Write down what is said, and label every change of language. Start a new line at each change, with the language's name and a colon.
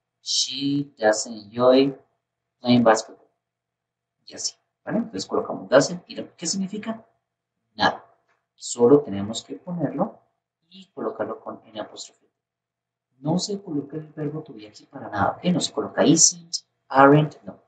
English: She doesn't enjoy playing basketball.
Spanish: Y así, ¿vale? Entonces colocamos doesn't y lo, ¿qué significa? Nada. Solo tenemos que ponerlo y colocarlo con N apóstrofe. No se coloca el verbo to be aquí para nada, ¿ok? No se coloca isn't, aren't, no.